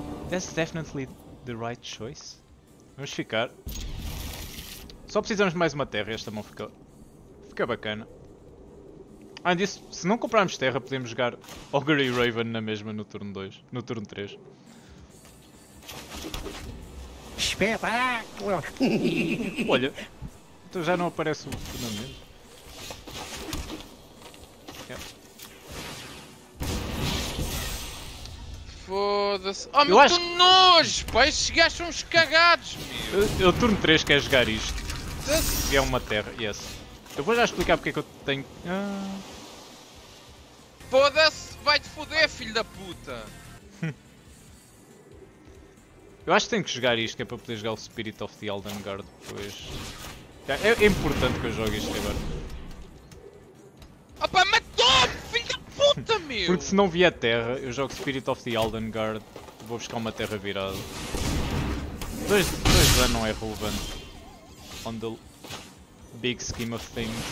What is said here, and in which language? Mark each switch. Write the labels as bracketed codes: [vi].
[en] That's definitely the right choice. [pt] Vamos ficar. Só precisamos de mais uma terra e esta mão fica... fica bacana. Além disso, se não comprarmos terra, podemos jogar Ogre e Raven na mesma no turno 2. No turno 3. Espetáculo! Olha, então já não aparece o fundamento. Foda-se. Oh, meu, acho... que nojo, pá! Estes gajos são uns cagados, meu! Eu turno 3 quer jogar isto. E é uma terra, yes. Eu vou já explicar porque é que eu tenho... Foda-se! Vai-te foder, filho da puta! Eu acho que tenho que jogar isto, que é para poder jogar o Spirit of the Elden Guard depois. É importante que eu jogue isto agora. Opa, matou-me! Puta, meu! Porque se não vier terra, eu jogo Spirit of the Elden Guard, vou buscar uma terra virada. 2 de dano não é relevante. [en] On the big scheme of things.